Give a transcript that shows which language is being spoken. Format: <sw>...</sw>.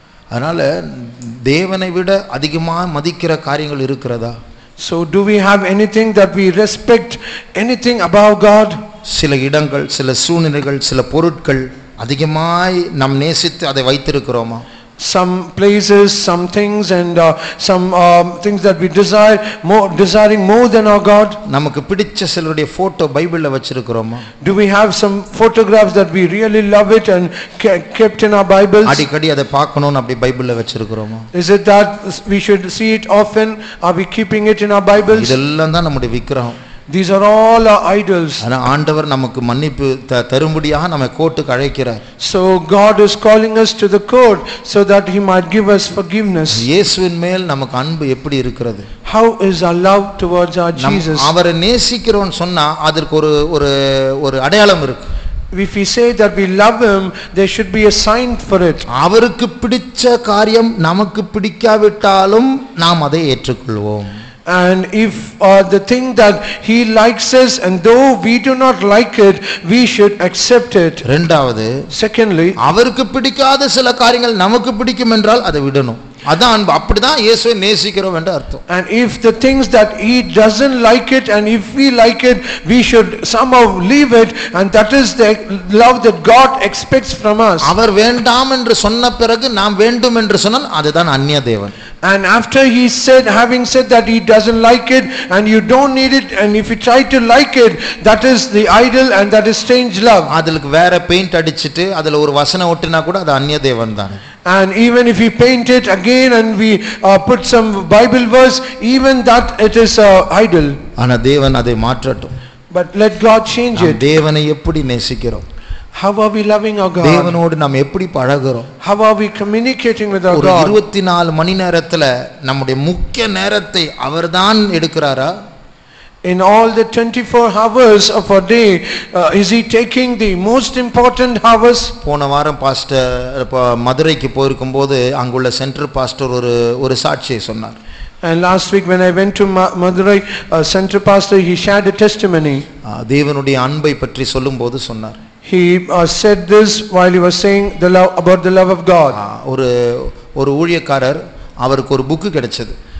<ta>அதனால் தேவனை விட அதிகமாக மதிக்கிற காரியங்கள் இருக்கிறதா?</ta> <en>So do we have anything that we respect anything above God?</en> <ta>சில இடங்கள், சில சூழ்நிலைகள், சில பொருட்கள் அதிகமாய் நம் நேசித்து அதை வைத்திருக்கிறோமா?</ta> <en>Some places, some things and things that we desire more, desiring more than our God.</en> <ta>நமக்கு பிடிச்ச சிலருடைய போட்டோ பைபிள்ல வச்சிருக்கோமா?</ta> <en>Do we have some photographs that we really love it and kept in our Bibles?</en> <ta>அடிக்கடி அதை பார்க்கணும்னு அப்படி பைபிள்ல வச்சிருக்கோமா?</ta> <en>Is it that we should see it often? Are we keeping it in our Bibles?</en> <ta>இதெல்லாம் தான் நம்முடைய விக்கிரகம்.</ta> <en>These are all our idols.</en> <ta>ஆனா ஆண்டவர் நமக்கு மன்னிப்பு தரும்படியாக நம்மை கோர்ட்டுக்கு அழைக்கிறார்.</ta> <en>So God is calling us to the court so that he might give us forgiveness.</en> <ta>இயேசுவின் மேல் நமக்கு அன்பு எப்படி இருக்கிறது?</ta> <en>How is our love towards our Jesus?</en> <ta>அவரை நேசிக்கிறோம்னு சொன்னா அதற்கு ஒரு ஒரு ஒரு அடையாளம் இருக்கு.</ta> <en>If we say that we love him, there should be a sign for it.</en> <ta>அவருக்கு பிடிச்ச காரியம் நமக்கு பிடிக்காவிட்டாலும் நாம் அதை ஏற்றுக்கொள்வோம்.</ta> <en>And if the thing that he likes us and though we do not like it, we should accept it.</en> <ta>இரண்டாவது,</ta> <en>secondly,</en> <ta>அவருக்கு பிடிக்காத சில காரியங்கள் நமக்கு பிடிக்கும் என்றால் அதை விடணும். அதான் அப்படிதான் இயேசுவை நேசிக்கிறோம் என்ற அர்த்தம்.</ta> <en>And if the things that he doesn't like it and if we like it, we should somehow leave it, and that is the love that God expects from us.</en> <ta>அவர் வேண்டாம் என்று சொன்ன பிறகு நாம் வேண்டும் என்று சொன்னால் அதுதான் அன்னிய தேவன்.</ta> <en>And after he said, having said that he doesn't like it and you don't need it, and if you try to like it, that is the idol and that is strange love.</en> <ta>அதுக்கு வேற paint அடிச்சிட்டு அதுல ஒரு வசனம் ஒட்டினா கூட அது அன்னிய தேவன் தான்.</ta> <en>And even if we paint it again and we put some Bible verse, even that it is idol.</en> <ta>ஆனா தேவன் அதை மாற்றட்டும்.</ta> <en>But let God change it.</en> <ta>தேவனை எப்படி நேசிக்கிறோம்?</ta> <en>How are we loving our God?</en> <ta>தேவனோடு நாம் எப்படி பழகுறோம்?</ta> <en>How are we communicating with our God?</en> <ta>ஒரு 24 மணி நேரத்துல நம்முடைய முக்கிய நேரத்தை அவர்தான் எடுக்கிறாரா?</ta> <en>In all the 24 hours of our day, is he taking the most important hours?</en> <ta>போன வாரம் பாஸ்டர் மதுரைக்கு போயிருக்கும்போது அங்குள்ள சென்ட்ரல் பாஸ்டர் ஒரு சாட்சியை சொன்னார்.</ta> <en>And last week when I went to Madurai, center pastor, he shared a testimony.</en> <ta>தேவனுடைய அன்பை பற்றி சொல்லும்போது சொன்னார்.</ta> <en>He said this while he was saying the love about the love of God.</en> <ta>ஒரு ஊழியக்காரர் அவருக்கு ஒரு புக் கிடைச்சது.</ta>